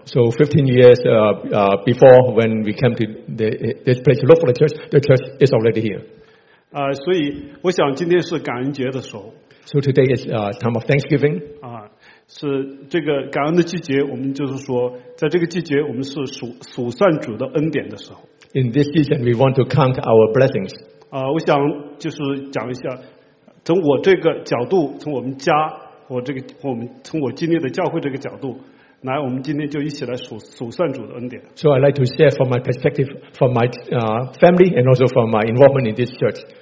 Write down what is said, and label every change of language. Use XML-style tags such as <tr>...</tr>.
<en>So 15 years before when we came to this place to look for the church is already here.</en> <zh>所以我想今天是感恩节的时候。</zh> <en>So today is time of Thanksgiving.</en> <zh>是这个感恩的季节，我们就是说，在这个季节，我们是数算主的恩典的时候。</zh> <en>In this season, we want to count our blessings.</en> <zh>我想就是讲一下，从我这个角度，从我们家，我这个我们从我经历的教会这个角度，来，我们今天就一起来数算主的恩典。</zh> <en>So I'd like to share from my perspective, from my family, and also from my involvement in this church.</en>